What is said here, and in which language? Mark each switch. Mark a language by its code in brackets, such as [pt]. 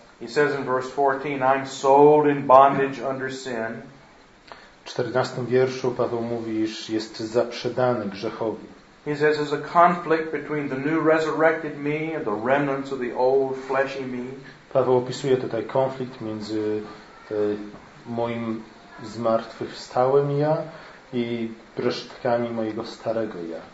[en] He says in verse 14, I'm sold in bondage under sin. [pl] 14 wierszu Paweł mówi, iż jest zaprzedany grzechowi. [en] He says there's a conflict between the new resurrected me and the remnants of the old fleshy me. [pl] Paweł opisuje tutaj konflikt między moim zmartwychwstałym ja i resztkami mojego starego ja.